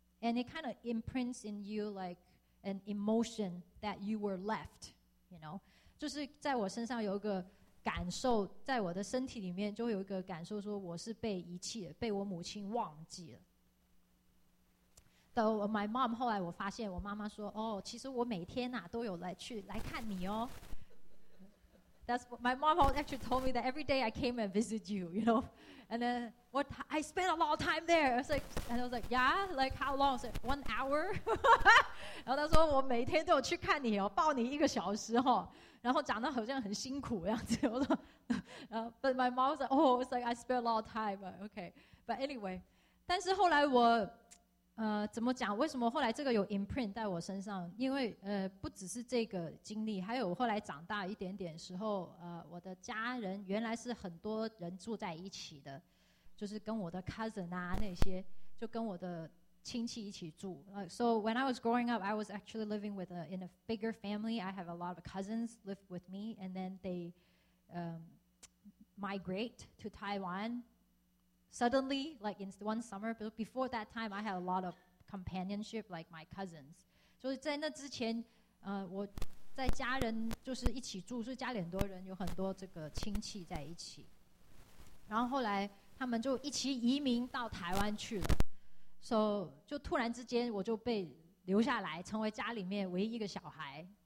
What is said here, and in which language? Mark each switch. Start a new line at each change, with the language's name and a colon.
English: And it kind of imprints in you like an emotion that you were left, you know.
Chinese: 就是在我身上有一个感受，在我的身体里面就会有一个感受说我是被遗弃的，被我母亲忘记了。
English: Though my mom,
Chinese: 后来我发现我妈妈说，哦，其实我每天啊都有来去来看你哦。
English: That's what my mom actually told me that every day I came and visit you, you know. And then what I spent a lot of time there. I was like, and I was like, yeah, like how long? I was like, 1 hour.
Chinese: 然后她说我每天都有去看你哦，抱你一个小时哦，然后长得好像很辛苦这样子。我说，
English: but my mom was like, oh, it's like I spent a lot of time. Okay, but anyway,
Chinese: 但是后来我。怎么讲？为什么后来这个有 imprint 在我身上？因为不只是这个经历，还有后来长大一点点时候，我的家人原来是很多人住在一起的，就是跟我的 cousin 啊那些，就跟我的亲戚一起住。
English: So when I was growing up, I was actually living with in a bigger family. I have a lot of cousins live with me, and then they migrate to Taiwan. Suddenly, like in one summer, but before that time, I had a lot of companionship, like my cousins.
Chinese: So, 在那之前，我在家人就是一起住，所以家里很多人有很多这个亲戚在一起。然后后来他们就一起移民到台湾去了。 So, 就突然之间我就被留下来，成为家里面唯一一个小孩。